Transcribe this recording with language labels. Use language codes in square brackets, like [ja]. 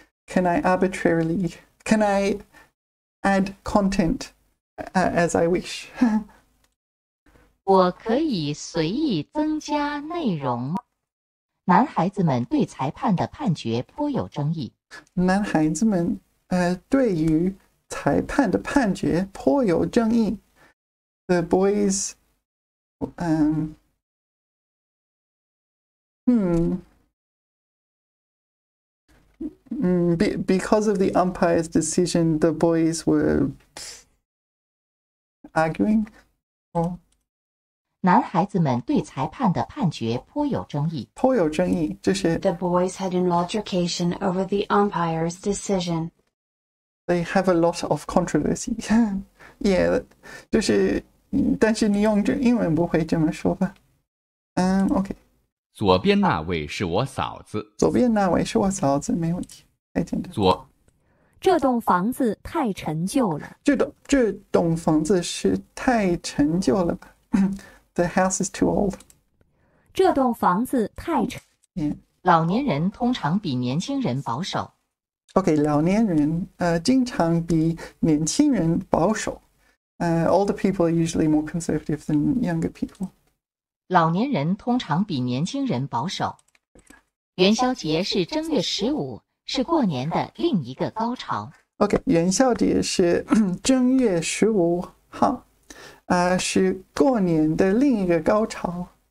[en] Can I arbitrarily? Can I add content as I wish? [zh] 我可以随意增加内容吗？男孩子们对裁判的判决颇有争议。男孩子们对于裁判的判决颇有争议。 [en] The boys, because of the umpire's decision, the boys were arguing. [zh] 男孩子们对裁判的判决颇有争议。颇有争议，这是。 [en] The boys had an altercation over the umpire's decision. They have a lot of controversy. yeah, [zh] 就是但是你用英文不会这么说吧？嗯 ，OK。左边那位是我嫂子。左边那位是我嫂子，没问题，太简单。左。这栋房子太陈旧了。这栋房子是太陈旧了吧？ [en] The house is too old。 [zh] 这栋房子太陈。 Yeah. 老年人通常比年轻人保守。 OK， 老年人经常比年轻人保守。 [en] Older people are usually more conservative than younger people。 [zh] 老年人通常比年轻人保守。元宵节是正月十五。是过年的另一个高潮。 OK， 元宵节是正月十五号，是过年的另一个高潮。